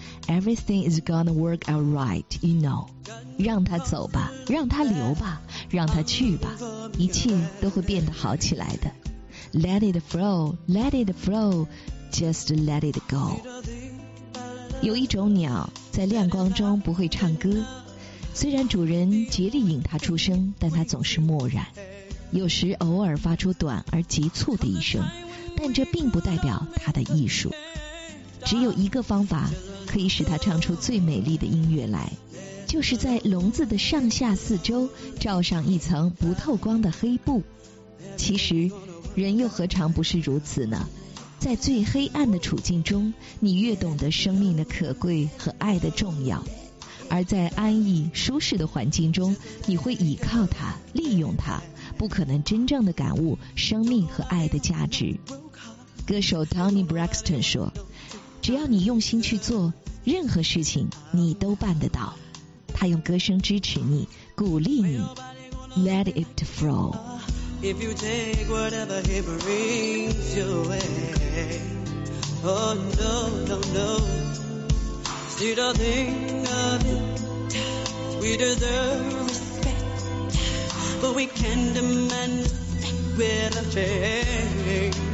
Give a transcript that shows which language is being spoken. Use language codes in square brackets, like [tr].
[en] Everything is gonna work out right, you know. [zh] 让它走吧，让它流吧，让它去吧，一切都会变得好起来的。 [en] Let it flow, let it flow, just let it go. [zh] 有一种鸟在亮光中不会唱歌，虽然主人竭力引它出声，但它总是漠然，有时偶尔发出短而急促的一声，但这并不代表它的艺术。只有一个方法可以使它唱出最美丽的音乐来，就是在笼子的上下四周罩上一层不透光的黑布。其实人又何尝不是如此呢？在最黑暗的处境中，你越懂得生命的可贵和爱的重要，而在安逸舒适的环境中，你会倚靠它，利用它，不可能真正的感悟生命和爱的价值。歌手 Tony Braxton 说，只要你用心去做，任何事情你都办得到。他用歌声支持你，鼓励你。 [en] Let it flow. If you take whatever he brings your way, oh no, no, no, still don't think of it. We deserve respect, but we can't demand respect with a fame.